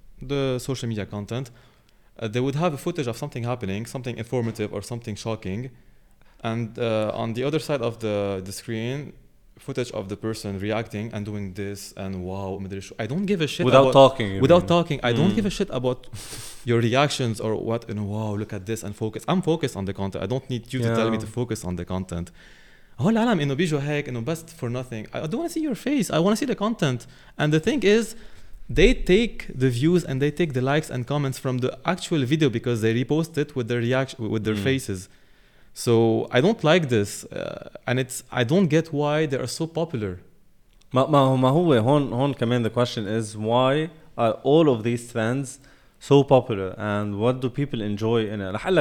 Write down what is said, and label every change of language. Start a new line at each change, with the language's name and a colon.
English: The social media content, they would have a footage of something happening, something informative or something shocking, and on the other side of the screen, footage of the person reacting and doing this and wow, I don't give a shit without talking. I don't give a shit about your reactions or what. And wow, look at this, and focus. I'm focused on the content. I don't need you to tell me to focus on the content.
Arabic: هول العالم إنه بيجوا هيك إنه بس for nothing.
English: I don't want to see your face. I want to see the content. And the thing is, they take the views and they take the likes and comments from the actual video, because they repost it with their reaction, with their faces. So I don't like this, and it's I don't get why they are so popular. ما هو هون كمان the question is, why are all of these trends so popular, and what do people enjoy in it?